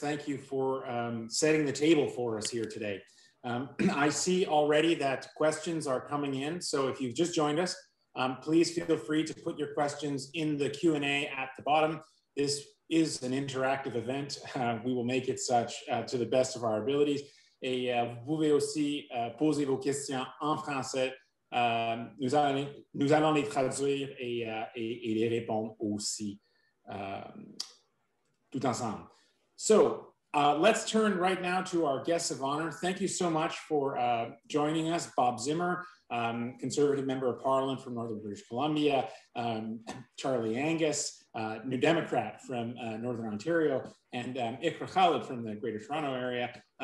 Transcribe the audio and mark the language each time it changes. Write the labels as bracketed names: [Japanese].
[English] Thank you for setting the table for us here today. I see already that questions are coming in. So if you've just joined us, please feel free to put your questions in the Q&A at the bottom. This is an interactive event. We will make it such to the best of our abilities. [French] Et vous pouvez aussi poser vos questions en français. Nous allons les traduire et les répondre aussi tout ensemble. [English] So let's turn right now to our guests of honor. Thank you so much for joining us, Bob Zimmer, Conservative Member of Parliament from Northern British Columbia, Charlie Angus, New Democrat from Northern Ontario, and Iqra Khalid from the Greater Toronto Area.